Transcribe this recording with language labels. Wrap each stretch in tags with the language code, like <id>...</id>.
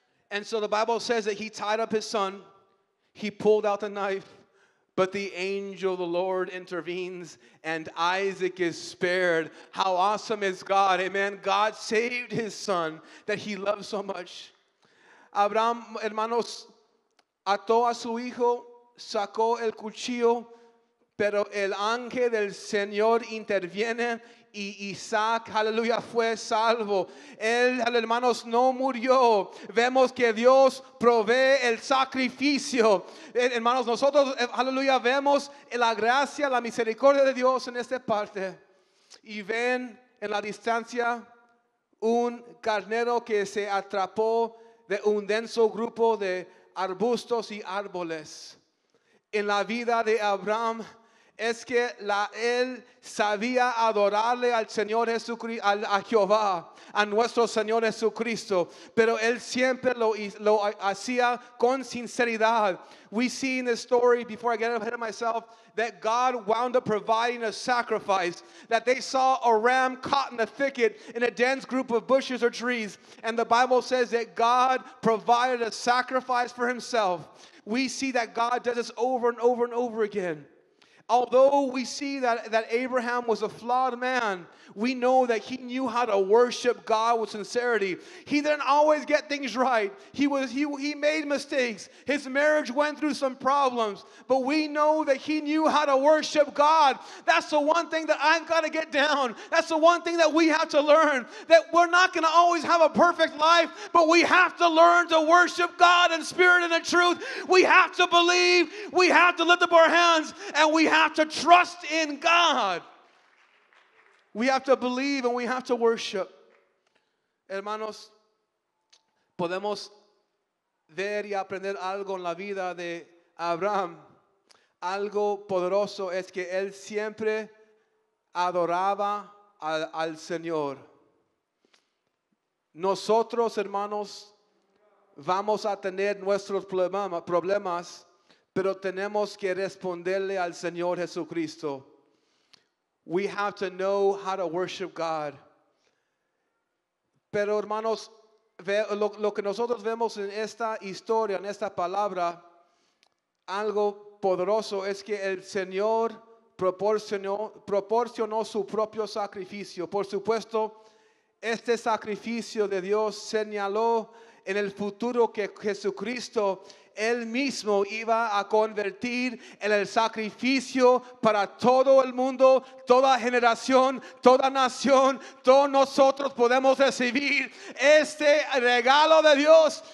<en>And so the Bible says that he tied up his son. He pulled out the knife. But the angel of the Lord intervenes and Isaac is spared. How awesome is God? Amen. God saved his son that he loved so much.</en> <es>Abraham, hermanos, ató a su hijo, sacó el cuchillo, pero el ángel del Señor interviene y Isaac, aleluya, fue salvo. Él, hermanos, no murió. Vemos que Dios provee el sacrificio. Hermanos, nosotros, aleluya, vemos la gracia, la misericordia de Dios en esta parte. Y ven en la distancia un carnero que se atrapó de un denso grupo de arbustos y árboles. En la vida de Abraham es que él sabía adorarle al Señor Jesucristo, a Jehová, a nuestro Señor Jesucristo, pero él siempre lo hacía con sinceridad.</es> <en>We see in this story, before I get ahead of myself, that God wound up providing a sacrifice, that they saw a ram caught in a thicket in a dense group of bushes or trees, and the Bible says that God provided a sacrifice for himself. We see that God does this over and over and over again. Although we see that Abraham was a flawed man, we know that he knew how to worship God with sincerity. He didn't always get things right. He made mistakes. His marriage went through some problems. But we know that he knew how to worship God. That's the one thing that I've got to get down. That's the one thing that we have to learn. That we're not going to always have a perfect life, but we have to learn to worship God in spirit and in truth. We have to believe. We have to lift up our hands. And we have to trust in God. We have to believe and we have to worship.</en> <es>Hermanos, podemos ver y aprender algo en la vida de Abraham. Algo poderoso es que él siempre adoraba al Señor. Nosotros, hermanos, vamos a tener nuestros problemas, pero tenemos que responderle al Señor Jesucristo.</es> <en>We have to know how to worship God.</en> <es>Pero hermanos, lo que nosotros vemos en esta historia, en esta palabra, algo poderoso es que el Señor proporcionó su propio sacrificio. Por supuesto, este sacrificio de Dios señaló en el futuro que Jesucristo, él mismo iba a convertir en el sacrificio para todo el mundo, toda generación, toda nación, todos nosotros podemos recibir este regalo de Dios.</es>